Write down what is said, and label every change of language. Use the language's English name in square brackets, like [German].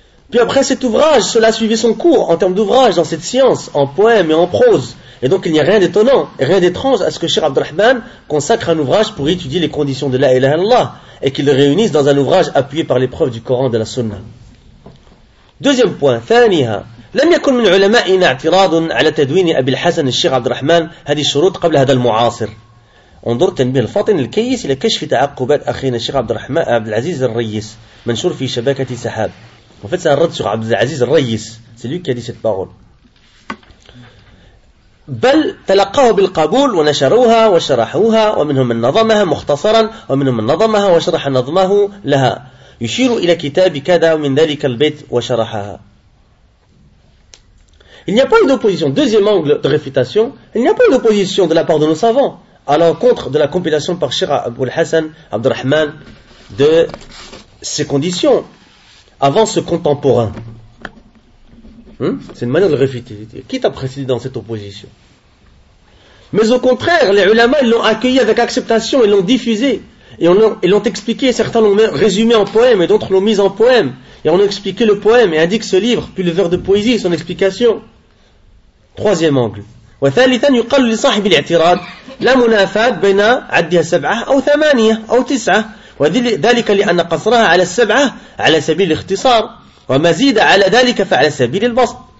[French] Puis après cet ouvrage, cela a suivi son cours en termes d'ouvrage dans cette science, en poème et en prose. Et donc il n'y a rien d'étonnant, rien d'étrange à ce que Cheikh Abdelrahman consacre un ouvrage pour étudier les conditions de la ilaha illallah et qu'il le réunisse dans un ouvrage appuyé par les preuves du Coran et de la Sunna. Deuxième point, [Arabic] ثانيها لم يكن من علمائنا اعتراض على تدوين أبي الحسن الشيخ عبد الرحمن هذه الشروط قبل هذا المعاصر. انظر تنبيه الفاطن الكيس إلى كشف تعقبات أخينا الشيخ عبد الرحمن عبد العزيز الرئيس منشور في شبكة سحاب. [French] En fait, c'est un rad sur Abd al-Aziz al-Rayyis. C'est lui qui a dit cette parole. [Arabic] بل تلقاه بالقبول ونشروها وشرحوها ومنهم من نظمها مختصرا ومنهم من نظمها وشرح نظمه لها يشير إلى كتاب كذا ومن ذلك البيت وشرحها. [French] Il n'y a pas d'opposition. Deuxième angle de réfutation. Il n'y a pas d'opposition de la part de nos savants à l'encontre de la compilation par Cheikh Abu al-Hassan Abd al-Rahman de ces conditions. Avant ce contemporain. C'est une manière de réfuter. Qui t'a précédé dans cette opposition? Mais au contraire, les ulama l'ont accueilli avec acceptation et l'ont diffusé. Et l'ont expliqué. Certains l'ont résumé en poème et d'autres l'ont mis en poème. Et on a expliqué le poème et indique ce livre, puis le vers de poésie, son explication. Troisième angle. [Arabic] وثالثا يقال لصاحب الاعتراض لا منافاة بين عدها سبعة أو ثمانية أو تسعة. وذلك لأن قصرها على السبعة على سبيل الاختصار وما زيد على ذلك فعلى سبيل البسط.